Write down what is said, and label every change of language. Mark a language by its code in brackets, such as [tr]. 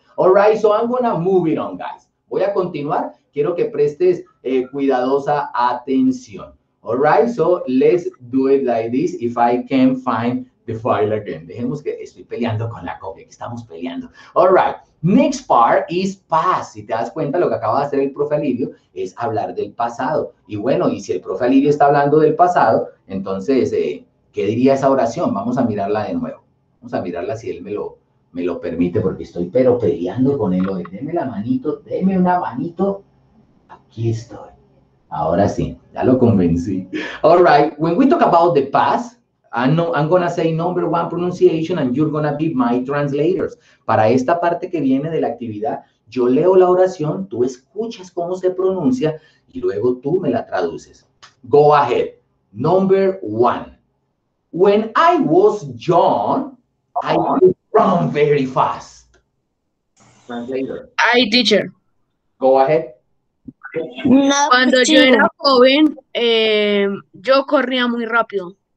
[en] All right, so I'm going to move it on, guys. [es] Voy a continuar. Quiero que prestes cuidadosa atención. [en] All right, so let's do it like this if I can find the file again. [es] Dejemos que estoy peleando con la copia, que estamos peleando. [en] All right, next part is past. [es] Si te das cuenta, lo que acaba de hacer el profe Alirio es hablar del pasado. Y bueno, y si el profe Alirio está hablando del pasado, entonces, ¿qué diría esa oración? Vamos a mirarla de nuevo. Vamos a mirarla si él me lo permite, porque estoy pero peleando con él hoy. Deme la manito, deme una manito. Aquí estoy. Ahora sí, ya lo convencí. [en] All right, when we talk about the past, I'm going to say number one pronunciation and you're going to be my translators. [es] Para esta parte que viene de la actividad, yo leo la oración, tú escuchas cómo se pronuncia y luego tú me la traduces. [en] Go ahead. Number one. When I was young, I run very fast. Translator. Hi, teacher. Go ahead. [es] No, cuando yo era joven, yo corría muy rápido.